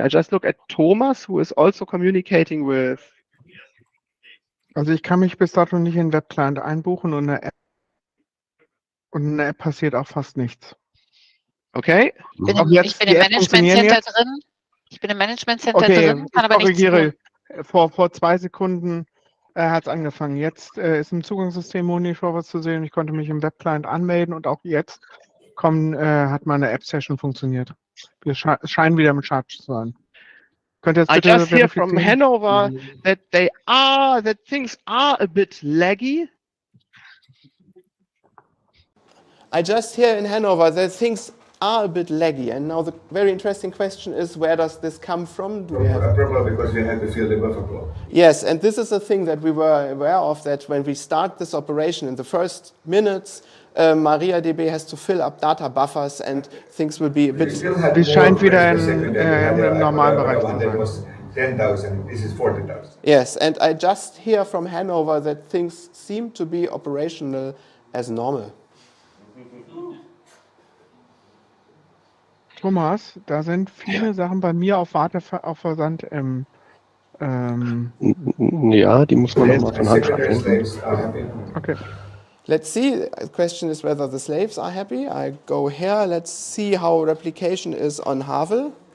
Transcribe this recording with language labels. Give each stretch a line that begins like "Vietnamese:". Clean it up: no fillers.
English: I just look at Thomas, who is also communicating with.
German: Also ich kann mich bis dato nicht in Webclient einbuchen und in der App passiert auch fast nichts. Okay. Ich bin im Management Center drin. Ich bin im Management Center okay, drin, kann aber nichts tun. Vor zwei Sekunden hat es angefangen. Jetzt ist im Zugangssystem Monitor was zu sehen. Ich konnte mich im Webclient anmelden und auch jetzt hat meine App-Session funktioniert. Wir scheinen wieder mit Charge zu sein. Könnt ihr jetzt bitte verifizieren?
English: I just hear from Hanover that things are a bit laggy. I just hear in Hanover that things are a bit laggy. And now the very interesting question is, where does this come from? Do we have a problem because we had to fill the buffer block. Yes, and this is a thing that we were aware of, that when we start this operation in the first minutes, MariaDB has to fill up data buffers and things will be a bit...
German: Das scheint wieder im normalen Bereich zu sein.
English: 10,000, this is 40,000. Yes, and I just hear from Hanover that things seem to be operational as normal.
German: Thomas, da sind viele Sachen bei mir auf Versand. Ja, die muss man nochmal von Hand schreiben. Okay.
English: Let's see. The question is whether the slaves are happy. I go here. Let's see how replication is on Havel.